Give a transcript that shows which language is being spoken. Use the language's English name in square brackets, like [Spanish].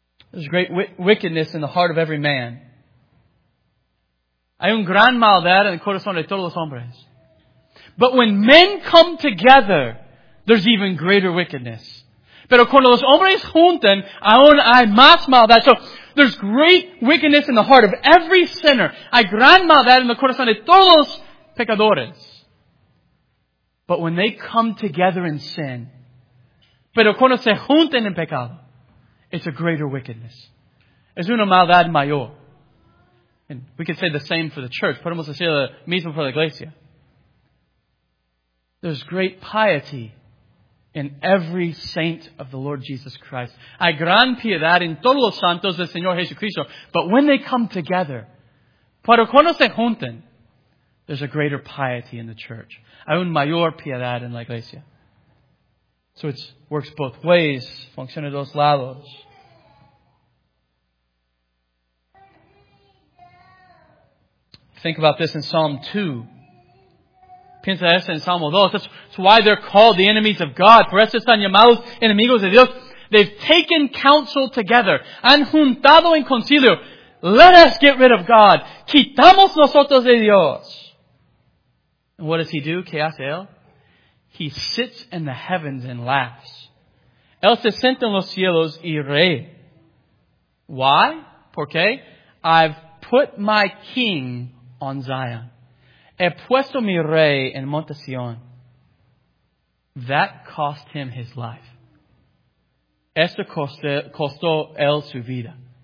[English] There's great wickedness in the heart of every man. [Spanish] Hay un gran maldad en el corazón de todos los hombres. [English] But when men come together, there's even greater wickedness. [Spanish] Pero cuando los hombres juntan, aún hay más maldad. [English] So, there's great wickedness in the heart of every sinner. [Spanish] Hay gran maldad en el corazón de todos los pecadores. [English] But when they come together in sin, [Spanish] pero cuando se juntan en pecado, [English] it's a greater wickedness. [Spanish] Es una maldad mayor. [English] And we could say the same for the church. [Spanish] Podemos decir lo mismo para la iglesia. [English] There's great piety in every saint of the Lord Jesus Christ. [Spanish] Hay gran piedad en todos los santos del Señor Jesucristo. [English] But when they come together, [Spanish] pero cuando se juntan, [English] there's a greater piety in the church. [Spanish] Hay un mayor piedad en la iglesia. [English] So it works both ways. [Spanish] Funciona dos lados. [English] Think about this in Psalm 2. [Spanish] Piensa esto en Salmo 2. [English] That's why they're called the enemies of God. [Spanish] Por eso están llamados enemigos de Dios. [English] They've taken counsel together. [Spanish] Han juntado en concilio. [English] Let us get rid of God. [Spanish] Quitamos nosotros de Dios. [English] And what does he do? [Spanish] ¿Qué hace él? [English] He sits in the heavens and laughs. [Spanish] Él se sienta en los cielos y ríe. [English] Why? [Spanish] ¿Por qué? [English] I've put my king on Zion. [Spanish] He puesto mi rey en Monte Sion. [English] That cost him his life. [Spanish] Esto costó él su vida.